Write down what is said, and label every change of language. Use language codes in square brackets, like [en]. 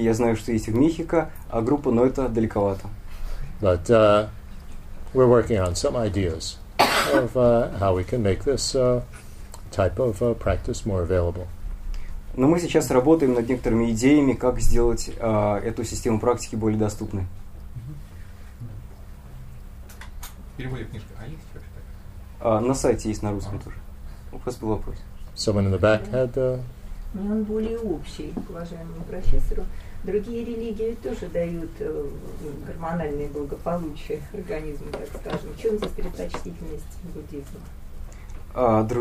[ru] Я знаю, что есть в Мехико, а группа, но это далековато. [en] But we're working on some ideas of how we can make this type of practice more available. [ru] Но мы сейчас работаем над некоторыми идеями, как сделать эту систему практики более доступной. Переводит книжки. А есть вообще так? На сайте есть на русском тоже. У вас был вопрос. [en] Someone in the back had. [ru] Не, он более общий, уважаемому профессору. Другие религии тоже дают гормональное благополучие организму, так скажем. В чем здесь предпочтительность буддизма?